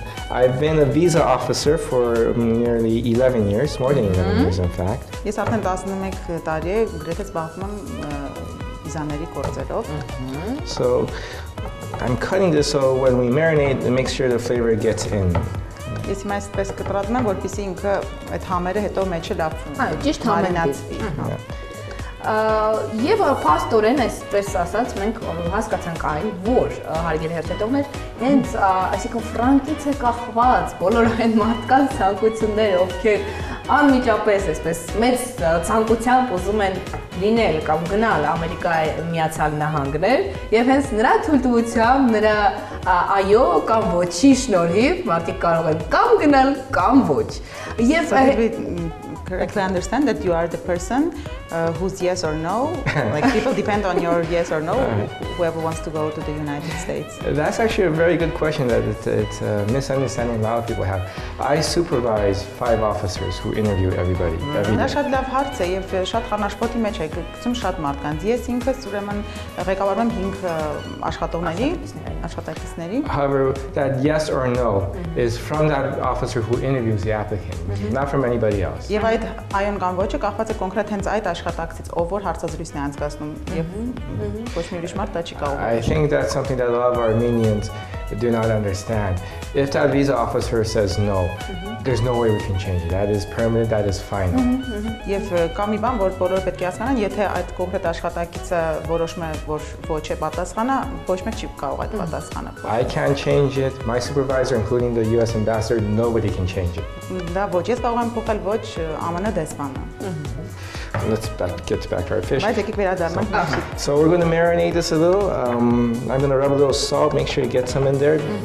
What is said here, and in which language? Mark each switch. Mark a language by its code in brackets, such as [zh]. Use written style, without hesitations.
[en] I've been a visa officer for nearly 11 years, more than 11 years in fact. [hy] Ես արդեն 11 տարի է գրեթե զբաղվում եմ վիզաների գործերով։ [en] So I'm cutting this so when we marinate, to make sure the flavor gets in. [hy] Ես հիմա այսպես կտրատնեմ, որպեսզի ինքը այդ համերը հետո մեջը լավ մարինացվի։ Եվ փաստորեն այսպես ասած, մենք հասկացանք այն, որ հարգելի հերթետողներ, հենց այսինքն ֆրանկից է կախված բոլոր այն մարդկանց ցանկությունները, ովքեր անմիջապես այսպես մեծ ցանկությամբ ուզում են լինել կամ գնալ Ամերիկայի Միացյալ Նահանգներ, եւ հենց նրա թույլտվությամբ, նրա այո կամ ոչի շնորհիվ մարդիկ կարող են կամ գնալ, կամ ոչ։ Եվ [en] correctly understand that you are the person who's yes or no, like people depend on your yes or no, whoever wants to go to the United States. That's actually a very good question that it's a misunderstanding a lot of people have. I supervise 5 officers who interview everybody every day. [hy] Դա շատ լավ հարց է եւ շատ հանաշպոտի մեջ է գցում շատ մարդկանց։ Ես ինքս ուրեմն ղեկավարում 5 աշխատողների, աշխատակիցների։ [en] However, that yes or no is from that officer who interviews the applicant, not from anybody else. [hy] Եվ այդ այն կամ ոչը կախված է կոնկրետ հենց այդ աշխատակցից, ով որ հարցազրույցն է անցկացնում եւ ոչ մի ուրիշ մարդ դա չի կարող։ [en] I think that's something that a lot of Armenians do not understand. If that visa officer says no, there's no way we can change it. That is permanent, that is final. [hy] Եվ կամ մի բան, որ բոլորը պետք է հասկանան, եթե այդ կոնկրետ աշխատակիցը որոշում է, որ ոչ է պատասխանը, ոչ մեկ չի կարող այդ պատասխանը։ [en] I can't change it. My supervisor, including the US ambassador, nobody can change it. [hy] Դա ոչ ես կարող եմ փոխել, ոչ ԱՄՆ դեսպանը։ [en] Let's back, get back our fish. So we're going to marinate this a little. I'm going to rub a little salt, make sure you get some in there.